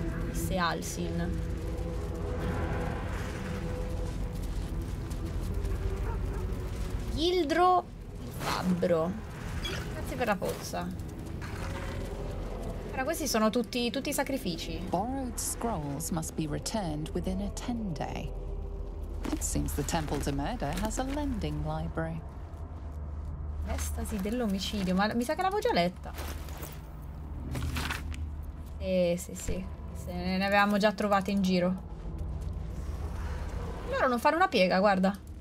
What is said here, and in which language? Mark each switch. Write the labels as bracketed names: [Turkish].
[Italian] Disse Alsin. Gildro Fabbro. Grazie per la pozza. Ora questi sono tutti i sacrifici. [English] Borrowed scrolls must be returned within a 10 day. It seems the Temple to Murder has a lending library. [Italian] L'estasi dell'omicidio, ma mi sa che l'avevo già letta. Sì. Se ne avevamo già trovate in giro. Loro non fanno una piega, guarda.